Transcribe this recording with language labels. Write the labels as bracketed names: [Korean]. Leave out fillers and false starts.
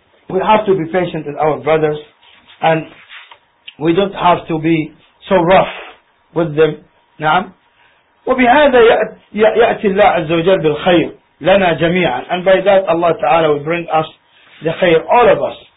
[English] We have to be patient with our brothers and we don't have to be so rough with them. [Arabic] نعم. وبهذا يأتي الله عز وجل بالخير لنا جميعا. [English] And by that Allah Ta'ala will bring us the khair, all of us.